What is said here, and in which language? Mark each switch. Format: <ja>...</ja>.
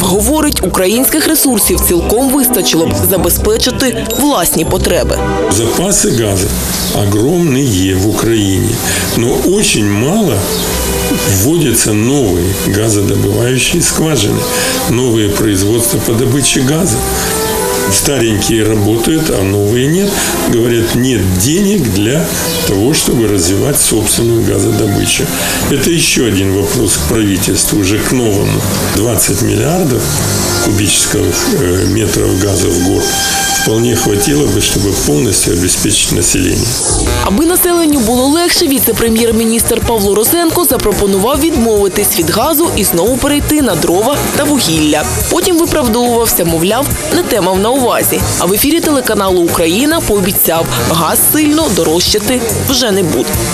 <uk>Говорить, українських ресурсів цілком вистачило б забезпечити власні потреби. Запаси газу огромні є в Україні, але дуже мало вводяться нові газодобуваючі скважини, нові производства по добичі газу. Старенькі працюють, а нові – ні.</uk> <ru>Говорять, нет денег для того, чтобы развивать собственную газодобычу. Это еще один вопрос к правительству, уже к новому. 20 миллиардов кубических метров газа в год вполне хватило бы, чтобы полностью обеспечить население.</ru> <uk>Аби населенню було легше, віце-прем'єр-міністр Павло Розенко запропонував відмовитись від газу і знову перейти на дрова та вугілля. Потім виправдовувався, мовляв, не те мав на увазі. А в ефірі телеканалу «Україна» пообіцяв, газ сильно дорожчати вже не буде.</uk>